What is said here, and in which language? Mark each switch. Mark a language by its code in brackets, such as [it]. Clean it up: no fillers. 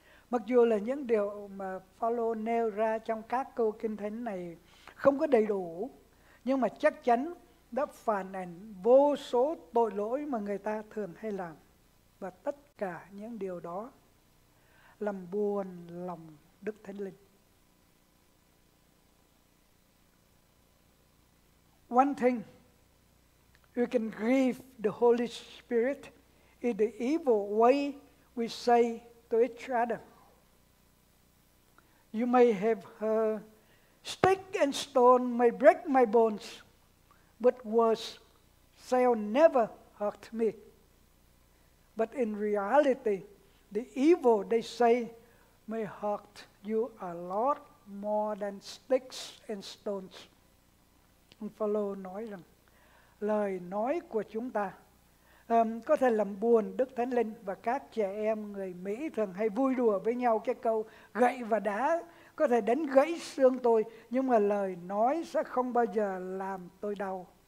[vi] Mặc dù là những điều mà Phaolô nêu ra trong các câu kinh thánh này không có đầy đủ, nhưng mà chắc chắn đã phản ảnh vô số tội lỗi mà người ta thường hay làm. Và tất cả những điều đó làm buồn lòng Đức Thánh Linh. [en] One thing we can grieve the Holy Spirit is the evil way we say to each other. You may have heard, stick and stone may break my bones, but words shall never hurt me. But in reality, the evil they say may hurt you a lot more than sticks and stones. [vi] Ông Phaolô nói rằng lời nói của chúng ta có thể làm buồn Đức Thánh Linh. Và các trẻ em người Mỹ thường hay vui đùa với nhau cái câu gậy và đá có thể đánh gãy xương tôi, nhưng mà lời nói sẽ không bao giờ làm tôi đau.